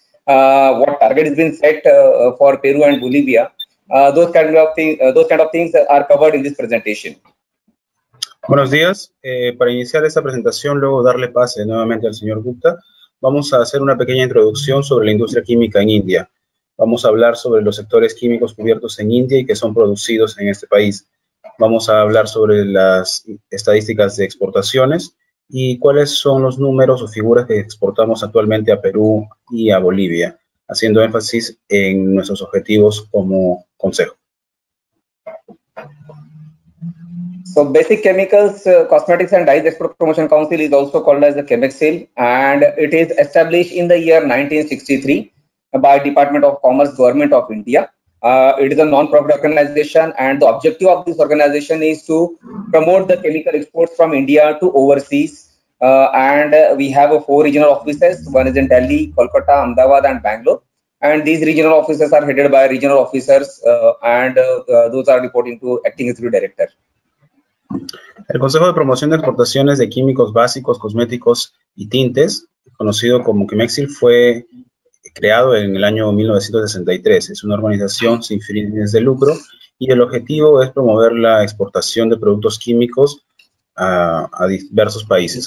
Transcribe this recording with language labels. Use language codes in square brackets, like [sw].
[en] What target has been set for Peru and Bolivia? Those kind of things are covered in this presentation. [es] Buenos días. Para iniciar esta presentación, luego darle pase nuevamente al señor Gupta, vamos a hacer una pequeña introducción sobre la industria química en India. Vamos a hablar sobre los sectores químicos cubiertos en India y que son producidos en este país. Vamos a hablar sobre las estadísticas de exportaciones. ¿Y cuáles son los números o figuras que exportamos actualmente a Perú y a Bolivia? Haciendo énfasis en nuestros objetivos como consejo. [en] So Basic Chemicals, Cosmetics and Dyes Export Promotion Council is also called as the Chemexil, and it is established in the year 1963 by Department of Commerce, Government of India. It is a non-profit organization, and the objective of this organization is to promote the chemical exports from India to overseas. We have four regional offices. One is in Delhi, Kolkata, Ahmedabad, and Bangalore. And these regional offices are headed by regional officers, those are reporting to acting executive director. [es] El Consejo de Promoción de Exportaciones de Químicos Básicos, Cosméticos y Tintes, conocido como Quimexil, fue creado en el año 1963. Es una organización sin fines de lucro y el objetivo es promover la exportación de productos químicos a diversos países.